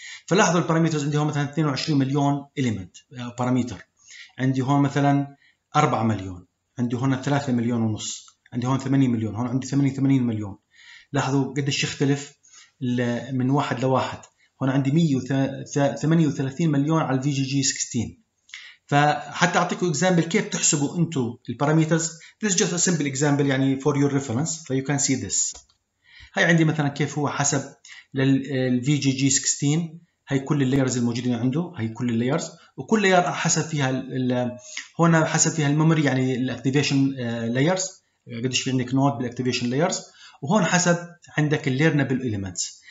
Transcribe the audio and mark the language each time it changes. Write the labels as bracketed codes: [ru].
[ar] فلاحظوا البارامترز عندي هون مثلا 22 مليون اليمنت بارامتر، عندي هون مثلا 4 مليون، عندي هون 3 مليون ونص، عندي هون 8 مليون، هون عندي 88 مليون. لاحظوا قديش يختلف من واحد لواحد. هنا عندي 138 مليون على الفي جي جي 16. فحتى اعطيكم اكزامبل كيف تحسبوا انتم البارامترز. [en] This is just a simple example يعني for your reference so you can see this. [ar] هاي عندي مثلا كيف هو حسب للفي جي جي 16، هاي كل اللايرز الموجودين عنده، هاي كل اللايرز، وكل لاير حسب فيها الـ هنا حسب فيها الميموري يعني الاكتيفيشن لايرز، قديش في عندك نود بالاكتيفيشن لايرز، وهون حسب عندك الليرنبل اليمنتس.